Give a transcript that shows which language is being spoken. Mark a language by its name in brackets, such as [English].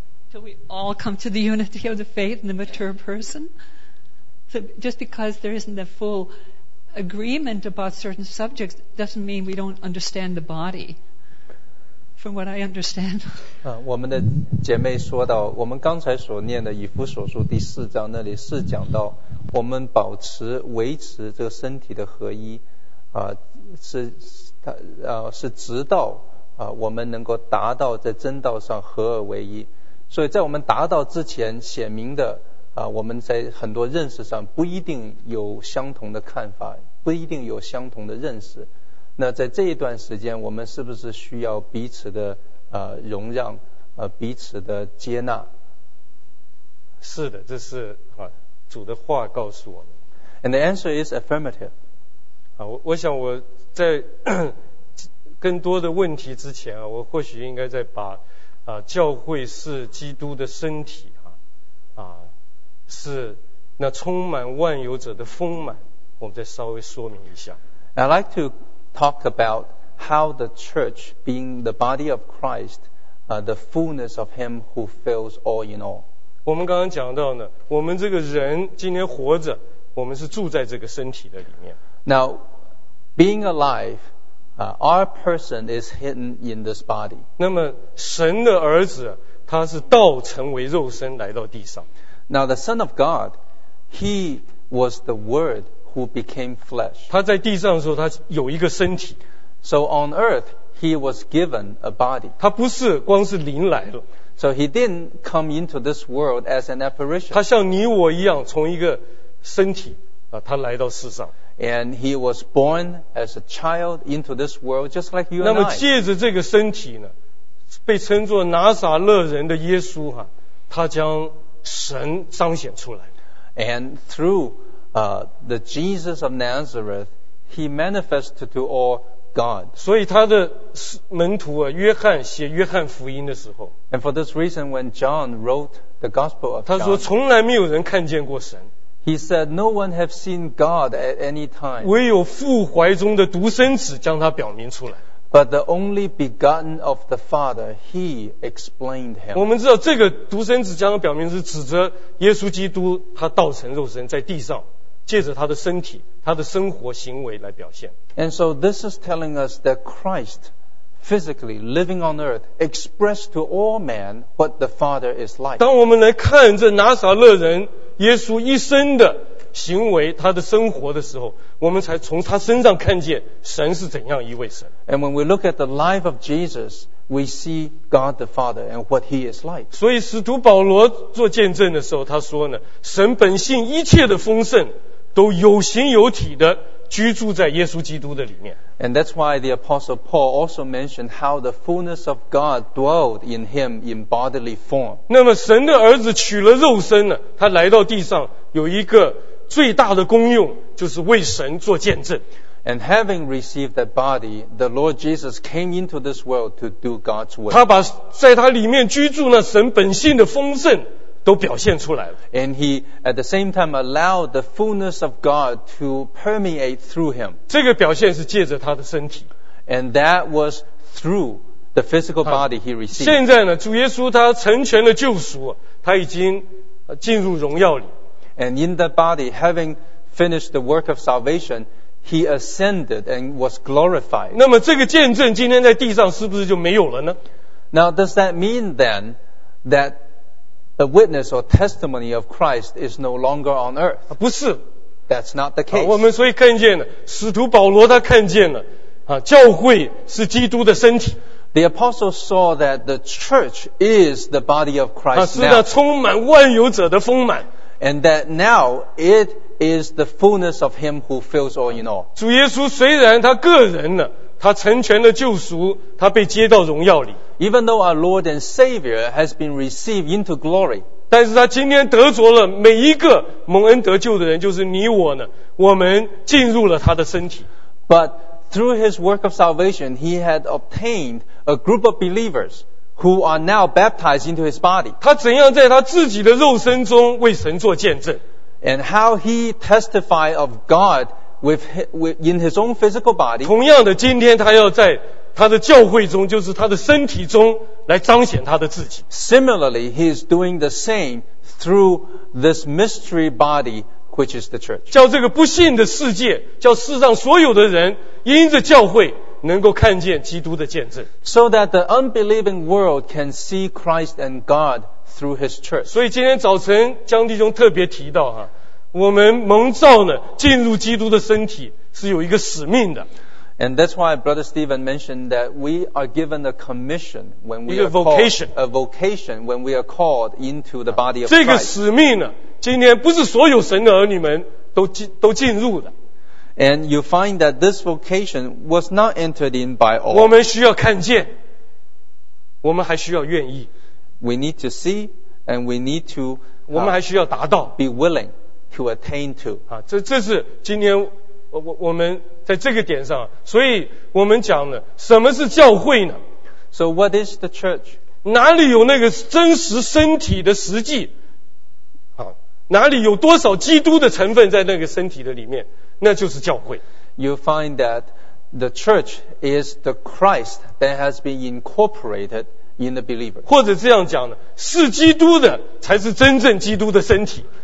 [English] Till we all come to the unity of the faith in the mature person. So just because there isn't a full agreement about certain subjects doesn't mean we don't understand the body. From what I understand. [Chinese] 我们的姐妹说到，我们刚才所念的以弗所书第四章那里是讲到我们保持维持这个身体的合一，是直到我们能够达到在真道上合而为一。所以在我们达到之前，显明的我们在很多认识上不一定有相同的看法，不一定有相同的认识。那在这一段时间，我们是不是需要彼此的容让，彼此的接纳？是的，这是主的话告诉我们。 [English] And the answer is affirmative. [Chinese] 我想我在更多的问题之前我或许应该再把教会是基督的身体是那充满万有者的丰满，我们再稍微说明一下。 [English] I'd like to. Talk about how the church being the body of Christ, the fullness of Him who fills all in all. [Chinese] 我们刚刚讲到呢，我们这个人今天活着，我们是住在这个身体的里面。 [English] Now, being alive, our person is hidden in this body. [Chinese] 那么神的儿子，他是道成为肉身来到地上。 [English] Now, the Son of God, He was the Word. Who became flesh. [Chinese] 他在地上的时候，他有一个身体。 [English] So on earth, he was given a body. [Chinese] 他不是光是灵来了。 [English] So he didn't come into this world as an apparition. [Chinese] 他像你我一样，从一个身体他来到世上。 [English] And he was born as a child into this world, just like you and I. [Chinese] 那么借着这个身体呢，被称作拿撒勒人的耶稣他将神彰显出来。 [English] And through the Jesus of Nazareth, he manifested to all God. [Chinese] 所以他的门徒约翰写约翰福音的时候 [English] ，And for this reason, when John wrote the Gospel of John, [Chinese] 他说从来没有人看见过神。 [English] He said, "No one have seen God at any time." [Chinese] 唯有父怀中的独生子将他表明出来。 [English] But the only begotten of the Father, He explained Him. [Chinese] 我们知道这个独生子将表明是指着耶稣基督，他道成肉身在地上，借着他的身体、他的生活行为来表现。 [English] And so this is telling us that Christ, physically living on earth, expressed to all men what the Father is like. [Chinese] 当我们来看这拿撒勒人耶稣一生的行为他的生活的时候我们才从他身上看见神是怎样一位神 [English] And when we look at the life of Jesus We see God the Father and what he is like [Chinese] 所以使徒保罗做见证的时候他说呢神本性一切的丰盛都有形有体的居住在耶稣基督的里面 [English] And that's why the Apostle Paul also mentioned how the fullness of God dwelled in him in bodily form [Chinese] 那么神的儿子取了肉身呢他来到地上有一个最大的功用就是为神做见证 [English] And having received that body The Lord Jesus came into this world To do God's will [Chinese] 他把在他里面居住那神本性的丰盛都表现出来了 [English] And he at the same time Allowed the fullness of God To permeate through him [Chinese] 这个表现是借着他的身体 [English] And that was through The physical body he received [Chinese] 现在呢主耶稣他成全了救赎他已经进入荣耀里 [English] And in that body, having finished the work of salvation, he ascended and was glorified. [Chinese] 那么这个见证今天在地上是不是就没有了呢？ [English] Now, does that mean then that a witness or testimony of Christ is no longer on earth? [Chinese] 不是。 [English] That's not the case. [Chinese] 我们所以看见了，使徒保罗他看见了，教会是基督的身体。 [English] The apostle saw that the church is the body of Christ now. [Chinese] 是那充满万有者的丰满。 [English] And that now it is the fullness of him who fills all in all. [Chinese] 主耶稣虽然他个人呢，他成全了救赎，他被接到荣耀里。 [English] Even though our Lord and Savior has been received into glory. [Chinese] 但是他今天得着了每一个蒙恩得救的人，就是你我呢，我们进入了他的身体。 [English] But through his work of salvation, he had obtained a group of believers. Who are now baptized into his body. [Chinese] 他怎样在他自己的肉身中为神做见证 [English] And how he testified of God with in his own physical body. [Chinese] 同样的今天他要在他的教会中就是他的身体中来彰显他的自己 [English] Similarly, he is doing the same through this mystery body which is the church. [Chinese] 叫这个不信的世界叫世上所有的人因着教会能够看见基督的见证 [English] So that the unbelieving world can see Christ and God through his church [Chinese] 所以今天早晨江弟兄特别提到我们蒙召呢进入基督的身体是有一个使命的 [English] And that's why Brother Stephen mentioned that we are given a commission when we are vocation. Called, a vocation when we are called into the body of [Chinese] Christ 这个使命呢今天不是所有神的儿女们都进入的 [English] And you find that this vocation was not entered in by all. [Chinese] 我们需要看见，我们还需要愿意。 [English] We need to see, and we need to. [Chinese] 我们还需要达到。 [English] Be willing to attain to. [Chinese] 这是今天我们在这个点上，所以我们讲的什么是教会呢 [English] ？So what is the church? [Chinese] 哪里有那个真实身体的实际？哪里有多少基督的成分在那个身体的里面？那就是教会。 [English] You find that the church is the Christ that has been incorporated in the believer. [Chinese] 或者这样讲呢，是基督的才是真正基督的身体。